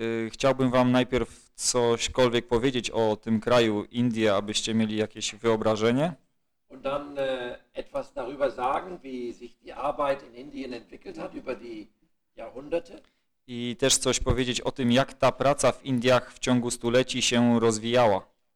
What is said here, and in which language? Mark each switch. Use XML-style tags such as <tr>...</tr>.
<pl>Chciałbym wam najpierw cośkolwiek powiedzieć o tym kraju Indie, abyście mieli jakieś wyobrażenie.</pl> <de>Und dann etwas darüber sagen, wie sich die Arbeit in Indien entwickelt hat über die Jahrhunderte.</de> <pl>I też coś powiedzieć o tym, jak ta praca w Indiach w ciągu stuleci się rozwijała.</pl>